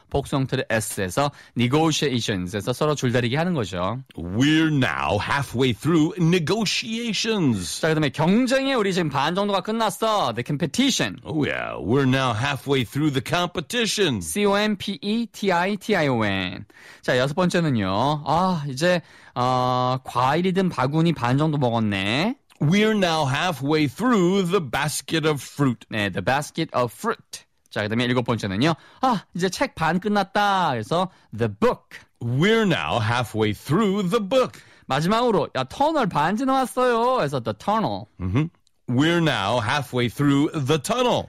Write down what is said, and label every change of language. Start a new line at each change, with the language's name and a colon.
Korean: 복수형태를 S에서 negotiations에서 서로 줄다리기 하는 거죠.
English: We're now halfway through negotiations.
Korean: 자, 그 다음에 경쟁에 우리 지금 반 정도가 끝났어.
English: The competition. Oh yeah, we're now halfway through the competition.
Korean: C-O-M-P-E-T-I-T-I-O-N. 자, 여섯 번째는요. 아, 이제 과일이든 바구니 반 정도 먹었네.
English: We're now halfway through the basket of fruit.
Korean: 네,
English: the basket of fruit.
Korean: 자, 그다음에 일곱 번째는요. 아, 이제 책 반 끝났다. 그래서
English: the book. We're now halfway through the book.
Korean: 마지막으로 야, 터널 반 지나왔어요. 그래서
English: the tunnel. We're now halfway through the tunnel.